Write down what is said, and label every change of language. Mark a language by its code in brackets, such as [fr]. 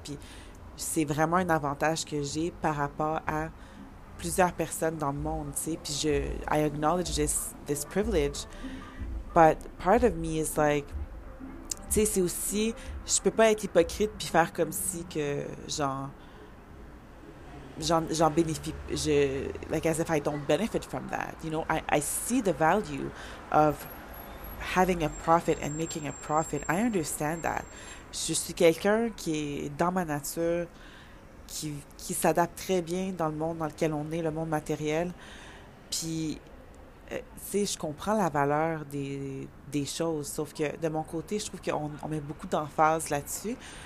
[fr] Puis c'est vraiment un avantage que j'ai par rapport à plusieurs personnes dans le monde, tu sais? Puis [en] I acknowledge this privilege, but part of me is like, [fr] tu sais, c'est aussi, je peux pas être hypocrite puis faire comme si que, genre, j'en bénéficie, [en] like as if I don't benefit from that. I see the value of having a profit and making a profit. I understand that. [fr] Je suis quelqu'un qui est dans ma nature, qui s'adapte très bien dans le monde dans lequel on est, le monde matériel. Puis, tu sais, je comprends la valeur des choses, sauf que de mon côté, je trouve qu'on met beaucoup d'emphase là-dessus.